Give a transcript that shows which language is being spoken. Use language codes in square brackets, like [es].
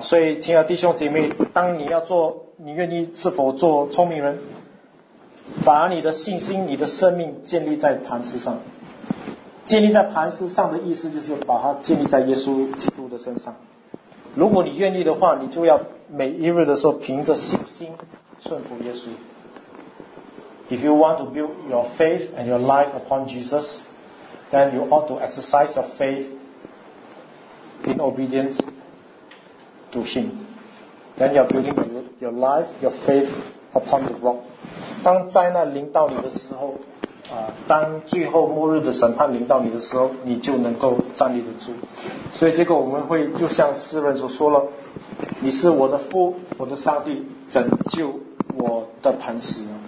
[zh] 所以亲爱的弟兄姐妹，当你要做，你愿意是否做聪明人，把你的信心、你的生命建立在磐石上。建立在磐石上的意思就是把它建立在耶稣基督的身上。如果你愿意的话，你就要每一日的时候凭着信心顺服耶稣。 [en] If you want to build your faith and your life upon Jesus, then you ought to exercise your faith in obedience to Him. Then you are building your life, your faith upon the rock. [zh] 当灾难临到你的时候，当最后末日的审判临到你的时候，你就能够站立得住。所以结果我们会就像诗人所说了，你是我的父，我的上帝，拯救我的磐石。